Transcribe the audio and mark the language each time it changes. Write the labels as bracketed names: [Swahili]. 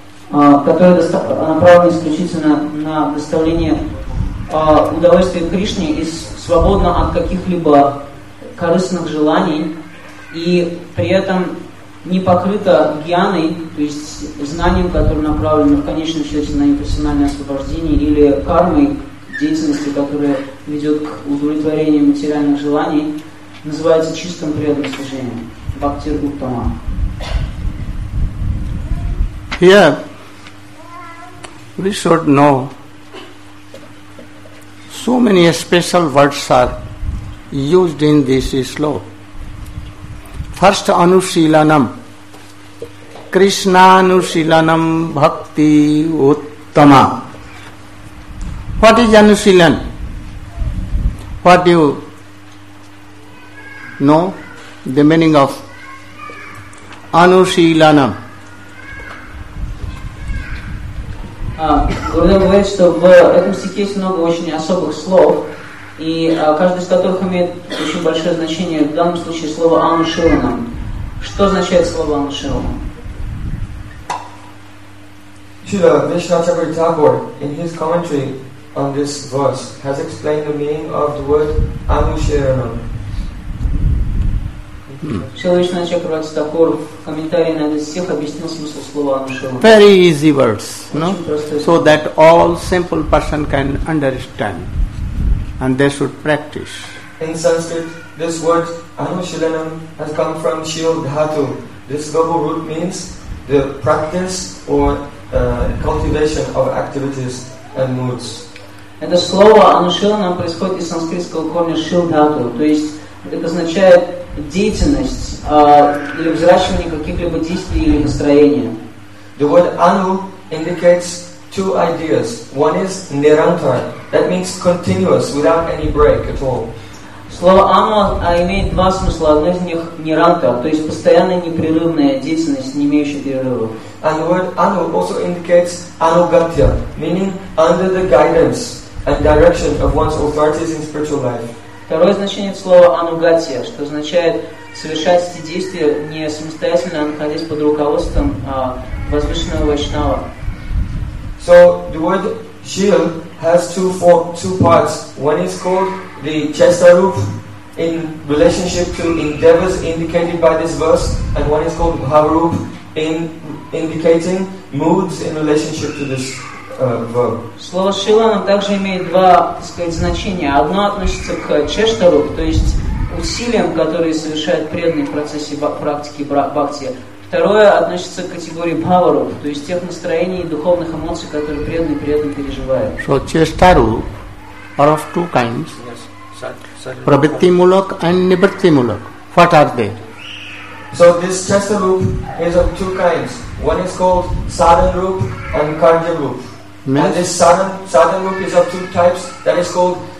[Russian] которое направлено исключительно на доставление удовольствия Кришне и свободно от каких-либо корыстных желаний, и при этом не покрыто гьяной, то есть знанием, которое направлено в конечном счете на имперсональное освобождение, или кармой деятельности, которая ведет к удовлетворению материальных желаний, называется чистым преданным служением. [Sanskrit] Бхактир Уттама. [English] Here, we should know so many special words are used in this slok. [Sanskrit] First, anusilanam. Krishnanusilanam bhakti uttama. [English] What is anusilan? What do you know? The meaning of anusilanam. [Russian] Гурудев говорит, что в этом стихе есть много очень особых слов, и каждый из которых имеет очень большое значение. В данном случае слово «анушиланам». Что означает слово «анушиланам»? [English] Śrīla Viṣṇācārya Thakura, in his commentary on this verse, has explained the meaning of the word anusheranam. [Russian] Śrīla Viṣṇācārya Thakura, commentary на этот стих, объяснил смысл слова anusheranam. [English] Very easy words, no? So that all simple person can understand, and they should practice. In Sanskrit, this word anusheranam has come from śrīla dhatu. This verbal root means the practice or cultivation of activities and moods. [Russian] Это слово anusheranam происходит из санскритского корня shildhatu, то есть это означает деятельность или взращивание каких-либо действий или настроения. [English] The word anu indicates two ideas. One is nirantar, that means continuous, without any break at all. [Russian] Слово anu имеет два смысла. Одно из них nirantar, то есть постоянная непрерывная деятельность, не имеющая перерывов. [English] And the word anu also indicates anugatya, meaning under the guidance and direction of one's authorities in spiritual life. [Russian] Второе значение слова anugatya, что означает совершать эти действия не самостоятельно, а находясь под руководством возвышенного вайшнава. [English] So the word shil has two parts. One is called the chestarup in relationship to endeavors indicated by this verse, and one is called bhavarup in indicating moods in relationship to this verb. [Russian] Слово шилана также имеет два, так сказать, значения. Одно относится к чештаруп, то есть усилиям, которые совершают преданные в процессе практики бхакти. Второе относится к категории бхаваруп, то есть тех настроений и духовных эмоций, которые преданные переживают. [English] So чештаруп are of two kinds. Yes. Pravritti-mulak and nivritti-mulak. What are they? So this chesta rup is of two kinds. One is called sadhan rup and karja rup. And this sadhan rup is of two types. That is called